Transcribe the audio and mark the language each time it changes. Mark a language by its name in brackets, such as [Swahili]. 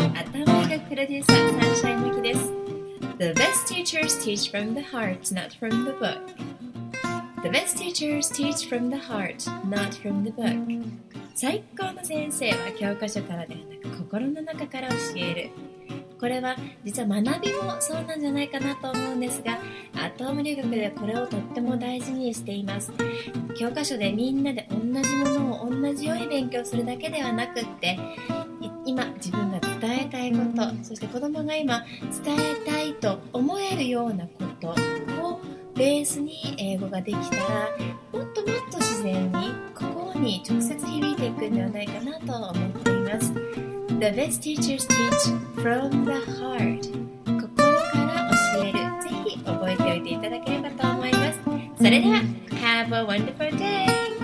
[Japanese] 頭がプロデューサー、サンシャインマキです。 [English] The best teachers teach from the heart, not from the book. The best teachers teach from the heart, not from the book. [Japanese] 最高の先生は教科書からではなく心の中から教える。これは実は学びもそうなんじゃないかなと思うんですが、アトム留学ではこれをとっても大事にしています。教科書でみんなで同じものを同じように勉強するだけではなくって、今自分が伝えたいこと、そして子どもが今伝えたいと思えるようなことをベースに英語ができたら、もっともっと自然に心に直接響いていくんではないかなと思っています。 [English] The best teachers teach from the heart. [Japanese] 心から教える。ぜひ覚えておいていただければと思います。それでは、 [English] Have a wonderful day!